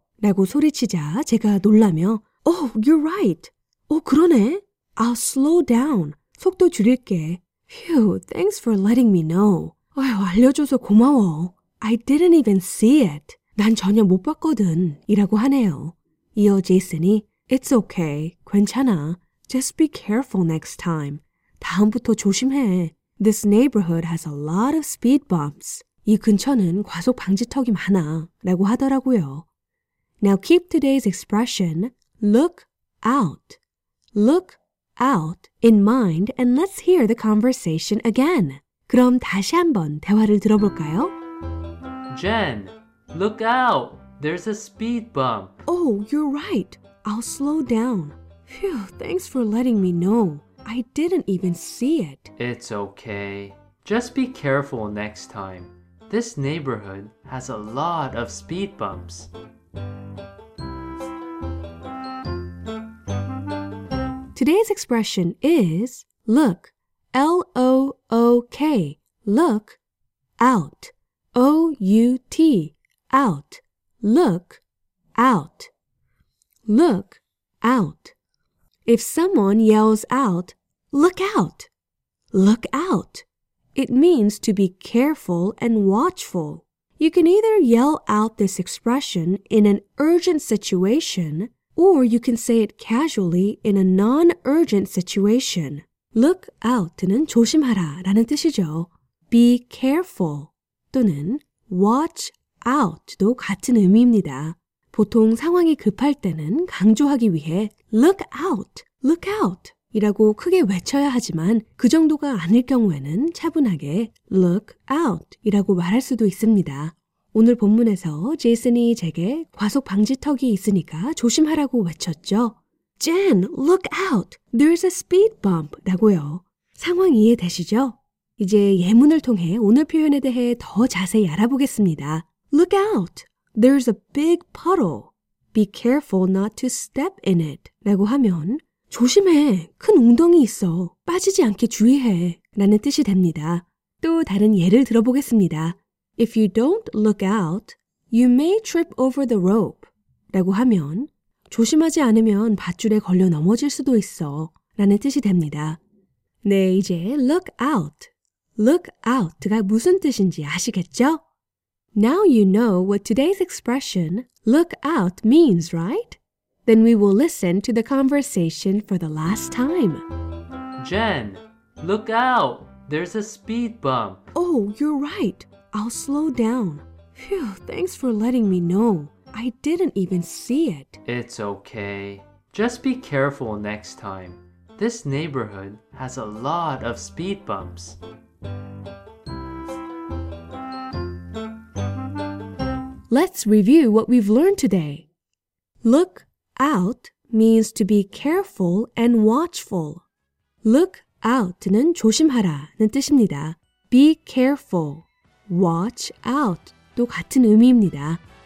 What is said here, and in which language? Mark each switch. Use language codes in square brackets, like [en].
[ko] 라고 소리치자 제가 놀라며 [en] Oh, you're right! [ko] 오, 그러네! [en] I'll slow down. [ko] 속도 줄일게. [en] Phew, thanks for letting me know. [ko] 아유, 알려줘서 고마워. [en] I didn't even see it. [ko] 난 전혀 못 봤거든. 이라고 하네요. 이어 제이슨이 [en] It's okay. [ko] 괜찮아. [en] Just be careful next time. [ko] 다음부터 조심해. [en] This neighborhood has a lot of speed bumps. [ko] 이 근처는 과속 방지턱이 많아. 라고 하더라고요. [en] Now keep today's expression, look out. Look out in mind and let's hear the conversation again. [ko] 그럼 다시 한번 대화를 들어볼까요? [en] Jen, look out. There's a speed bump. Oh, you're right. I'll slow down. Phew, thanks for letting me know. I didn't even see it. It's okay. Just be careful next time. This neighborhood has a lot of speed bumps. 's expression is look, L-O-O-K, look out, O-U-T, out, look out, look out. If someone yells out, look out, look out, it means to be careful and watchful. You can either yell out this expression in an urgent situation, or you can say it casually in a non-urgent situation. [ko] Look out는 조심하라 라는 뜻이죠. Be careful 또는 watch out도 같은 의미입니다. 보통 상황이 급할 때는 강조하기 위해 look out, look out 이라고 크게 외쳐야 하지만 그 정도가 아닐 경우에는 차분하게 look out 이라고 말할 수도 있습니다. 오늘 본문에서 제이슨이 제게 과속 방지턱이 있으니까 조심하라고 외쳤죠. [en] Jen, look out! There's a speed bump! 라고요. [ko] 상황 이해되시죠? 이제 예문을 통해 오늘 표현에 대해 더 자세히 알아보겠습니다. [en] Look out! There's a big puddle. Be careful not to step in it. [ko] 라고 하면 조심해! 큰 웅덩이 있어! 빠지지 않게 주의해! 라는 뜻이 됩니다. 또 다른 예를 들어보겠습니다. [en] If you don't look out, you may trip over the rope. [ko] 라고 하면 조심하지 않으면 밧줄에 걸려 넘어질 수도 있어 라는 뜻이 됩니다. 네, 이제 look out. Look out가 무슨 뜻인지 아시겠죠? [en] Now you know what today's expression look out means, right? Then we will listen to the conversation for the last time. Jen, look out. There's a speed bump. Oh, you're right. I'll slow down. Phew, thanks for letting me know. I didn't even see it. It's okay. Just be careful next time. This neighborhood has a lot of speed bumps. Let's review what we've learned today. Look out means to be careful and watchful. [ko] Look out는 조심하라는 뜻입니다. Be careful. Watch out도 같은 의미입니다.